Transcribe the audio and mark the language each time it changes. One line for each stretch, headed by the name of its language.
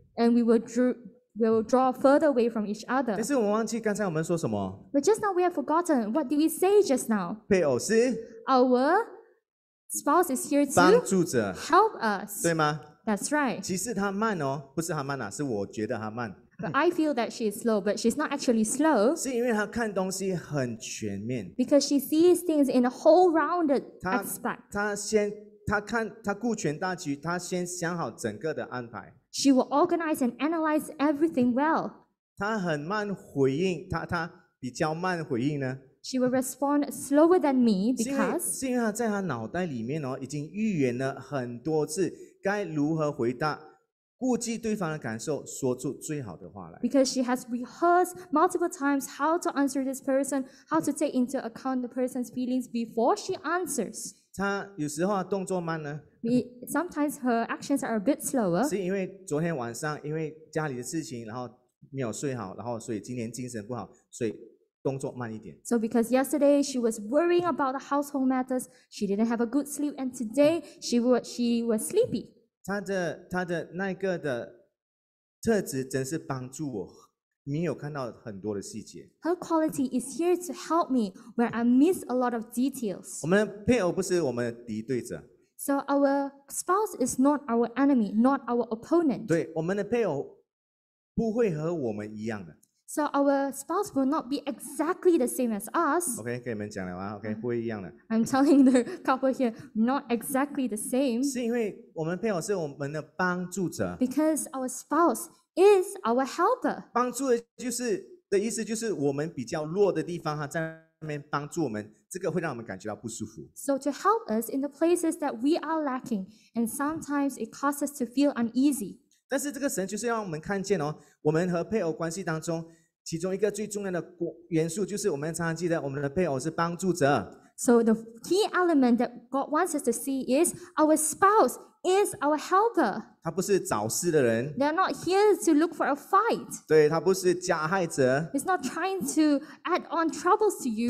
English: And we will draw further away from each other.
Chinese: 但是我们忘记刚才我们说什么。
English: But just now we have forgotten. What did we say just now?
Chinese: 配偶是。
English: Our spouse is here to
Chinese: 帮助者。
English: Help us.
Chinese: 对吗？
English: That's right.
Chinese: 其实她慢哦，不是她慢啊，是我觉得她慢。
English: But I feel that she is slow, but she's not actually slow.
Chinese: 是因为她看东西很全面。
English: Because she sees things in a whole rounded aspect.
Chinese: 她顾全大局，她先想好整个的安排。
English: She will organize and analyze everything well.
Chinese: 她很慢回应，她比较慢回应呢。
English: She will respond slower than me because
Chinese: 是因为她在她脑袋里面哦，已经预言了很多次。该如何回答，顾及对方的感受，说出最好的话来。
English: Because she has rehearsed multiple times how to answer this person, how to take into account the person's feelings before she answers.
Chinese: 她有时候动作慢呢。
English: Sometimes her actions are a bit slower.
Chinese: 是因为昨天晚上因为家里的事情，然后没有睡好，然后所以今天精神不好，所以动作慢一点。
English: So because yesterday she was worrying about the household matters, she didn't have a good sleep, and today she was sleepy.
Chinese: 她的那个的特质真是帮助我，没有看到很多的细节。
English: Her quality is here to help me where I miss a lot of details.
Chinese: 我们的配偶不是我们的敌对者。
English: So our spouse is not our enemy, not our opponent.
Chinese: 对，我们的配偶不会和我们一样的。
English: So our spouse will not be exactly the same as us.
Chinese: Okay, 跟你们讲了啊, okay, 不会一样的。
English: I'm telling the couple here, not exactly the same.
Chinese: 是因为我们配偶是我们的帮助者。
English: Because our spouse is our helper.
Chinese: 帮助的就是的意思就是我们比较弱的地方哈，在那边帮助我们，这个会让我们感觉到不舒服。
English: So to help us in the places that we are lacking, and sometimes it causes us to feel uneasy.
Chinese: 但是这个神就是让我们看见哦，我们和配偶关系当中，其中一个最重要的元素就是我们常常记得我们的配偶是帮助者。
English: So the key element that God wants us to see is our spouse is our helper.
Chinese: 他不是找事的人。
English: They're not here to look for a fight.
Chinese: 对，他不是加害者。
English: He's not trying to add on troubles to you.